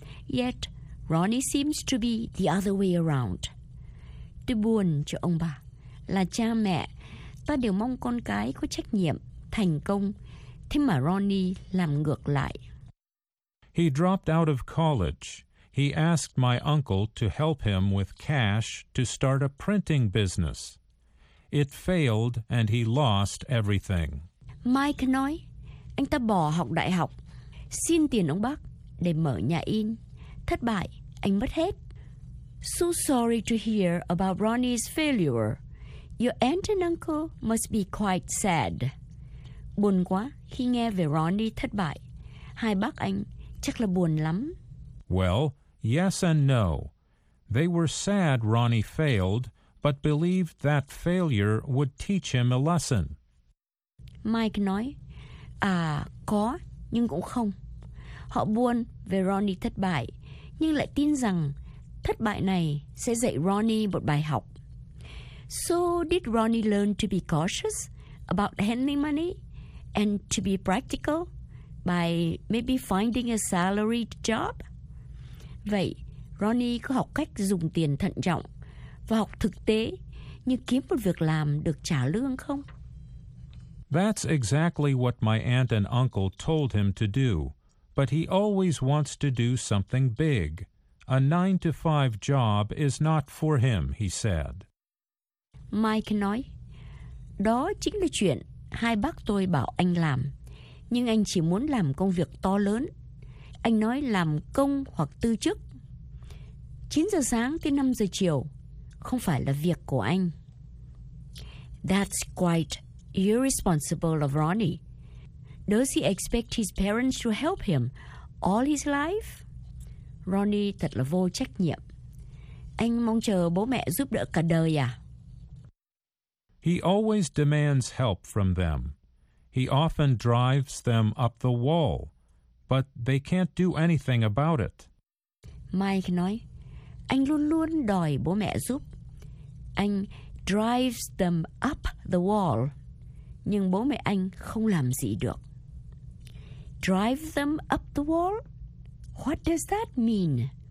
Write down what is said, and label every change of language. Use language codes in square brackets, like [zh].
[en] Yet, Ronnie seems to be the other way around. [vi] Tôi buồn cho ông bà. Là cha mẹ, ta đều mong con cái có trách nhiệm, thành công. Thế mà Ronnie làm ngược lại. [en] He dropped out of college. He asked my uncle to help him with cash to start a printing business. It failed and he lost everything. [vi] Mike nói, anh ta bỏ học đại học, xin tiền ông bác để mở nhà in. Thất bại, anh mất hết. [en] So sorry to hear about Ronnie's failure. Your aunt and uncle must be quite sad. [vi] Buồn quá khi nghe về Ronnie thất bại. Hai bác anh chắc là buồn lắm. [en] Well, yes and no. They were sad Ronnie failed, but believed that failure would teach him a lesson. [vi] Mike nói, à, có, nhưng cũng không. Họ buồn về Ronnie thất bại, nhưng lại tin rằng thất bại này sẽ dạy Ronnie một bài học. [en] So did Ronnie learn to be cautious about handling money? And to be practical, by maybe finding a salary job? [vi] Vậy, Ronnie có học cách dùng tiền thận trọng và học thực tế như kiếm một việc làm được trả lương không? [en] That's exactly what my aunt and uncle told him to do. But he always wants to do something big. A 9-to-5 job is not for him, he said. [vi] Mike nói, đó chính là chuyện hai bác tôi bảo anh làm, nhưng anh chỉ muốn làm công việc to lớn. Anh nói làm công hoặc tư chức. 9 giờ sáng tới 5 giờ chiều, không phải là việc của anh. [en] That's quite irresponsible of Ronnie. Does he expect his parents to help him all his life? [vi] Ronnie thật là vô trách nhiệm. Anh mong chờ bố mẹ giúp đỡ cả đời à? [en] He always demands help from them. He often drives them up the wall, but they can't do anything about it. [vi] Mike nói, anh luôn luôn đòi bố mẹ giúp. Anh [en] drives them up the wall, [vi] nhưng bố mẹ anh không làm gì được. [en] Drive them up the wall? What does that mean?